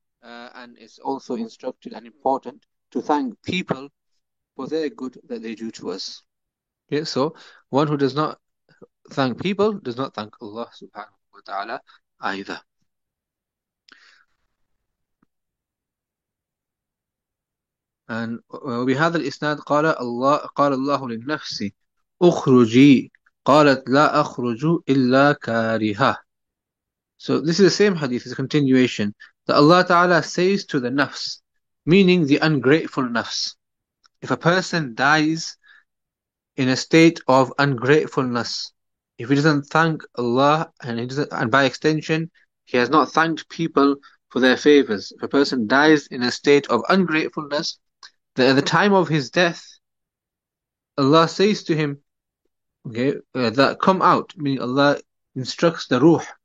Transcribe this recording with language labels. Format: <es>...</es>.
<en>And it's also instructed and important to thank people for their good that they do to us. Okay, so one who does not thank people does not thank Allah subhanahu wa ta'ala either.</en> <ar>And بهذا الإسناد قال الله لنفسي أخرجي قالت لا أخرج إلا كارها.</ar> <en>So this is the same hadith, it's a continuation. That Allah Ta'ala says to the nafs, meaning the ungrateful nafs. If a person dies in a state of ungratefulness, if he doesn't thank Allah and by extension, he has not thanked people for their favors, if a person dies in a state of ungratefulness, then at the time of his death, Allah says to him, that come out, meaning Allah instructs the ruh.</en>